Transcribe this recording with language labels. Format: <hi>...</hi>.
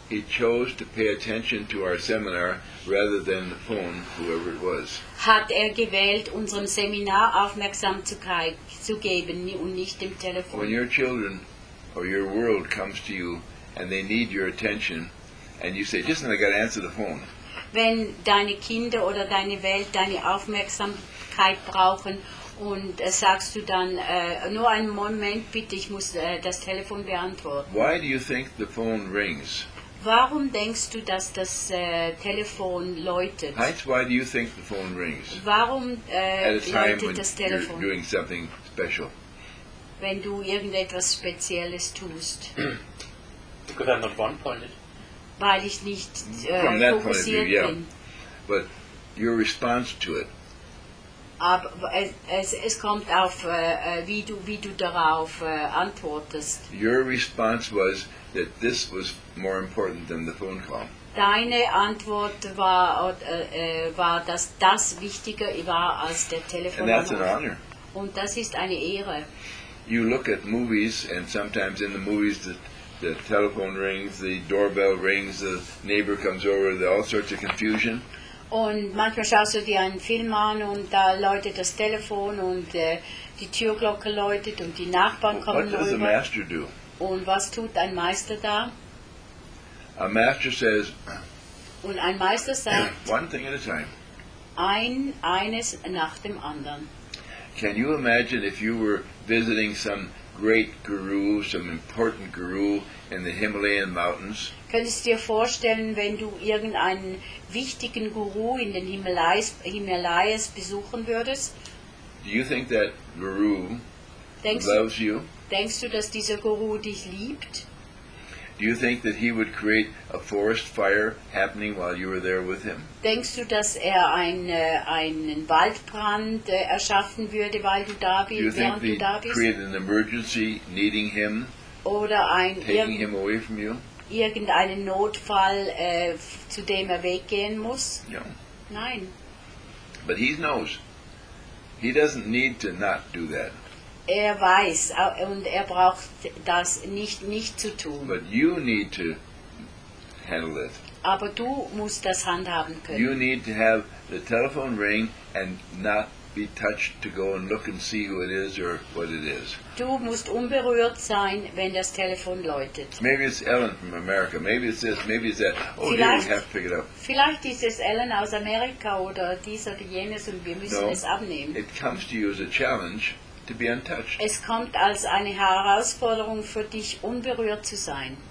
<en>He chose to pay attention to our seminar rather than the phone, whoever it was.</en> <de>Hat gewählt, unserem Seminar Aufmerksamkeit zu geben und nicht dem Telefon.</de> <en>When your children or your world comes to you and they need your attention, and you say, "Listen, I got to answer the phone."</en> <de>Wenn deine Kinder oder deine Welt deine Aufmerksamkeit brauchen und sagst du dann, nur einen Moment bitte, ich muss das Telefon beantworten.</de> <en>Why do you think the phone rings?</en> <de>Warum denkst du, dass das Telefon läutet?</de> <en>Heinz, why do you think the phone rings?</en> <de>Warum läutet das Telefon?</de> <en>You're doing something special.</en> <de>Wenn du irgendetwas Spezielles tust.</de> <en>Because I'm not one-pointed.</en> <de>Weil ich nicht</de> <en>from that</en> <de>fokussiert</de> <en>point of view, yeah.</en> <de>Bin.</de> <en>But your response to it.</en> <de>Aber es kommt auf, wie du darauf antwortest.</de> <en>Your response was that this was more important than the phone call.</en> <de>Deine Antwort war, war, dass das wichtiger war als der Telefon.</de> <en>And that's an honor.</en> <de>Und das ist eine Ehre.</de> <en>You look at movies, and sometimes in the movies the telephone rings, the doorbell rings, the neighbor comes over, there are all sorts of confusion.</en> <de>Und manchmal schaust du dir einen Film an und da läutet das Telefon und die Türglocke läutet und die Nachbarn kommen rüber.</de> <en>What does the master do?</en> <de>Und was tut ein Meister da?</de> <en>A master says,</en> <de>und ein Meister sagt,</de> <en>one thing at a time.</en> <de>Eines nach dem anderen.</de> <en>Can you imagine if you were visiting some great guru, some important guru in the Himalayan mountains?</en> <de>Könntest du dir vorstellen, wenn du irgendeinen wichtigen Guru in den Himalayas besuchen würdest?</de> <en>Do you think that guru loves you?</en> <de>Denkst du, dass dieser Guru dich liebt?</de> <en>Do you think that he would create a forest fire happening while you were there with him?</en> <de>Denkst du, dass einen Waldbrand erschaffen würde, weil du da bist?</de> <en>Do you think he'd create an emergency needing him?</en> <de>Oder</de> <en>taking him away from you?</en> <de>Irgendeinen Notfall, zu dem weggehen muss?</de> <en>No.</en> <de>Nein.</de> <en>But he knows. He doesn't need to not do that.</en> <de>Weiß und braucht das nicht zu tun.</de> <en>But you need to handle it.</en> <de>Aber du musst das handhaben können.</de> <en>You need to have the telephone ring and not be touched to go and look and see who it is or what it is.</en> <de>Du musst unberührt sein, wenn das Telefon läutet.</de> <en>Maybe it's Ellen from America. Maybe it's this, maybe it's that. Oh,</en> <de>vielleicht,</de> <en>dear, we have to pick it up.</en> <de>Vielleicht ist es Ellen aus Amerika oder dies oder jenes und wir müssen es abnehmen.</de> <en>It comes to you as a challenge to be untouched.</en> <de>Es kommt als eine Herausforderung für dich, unberührt zu sein.</de>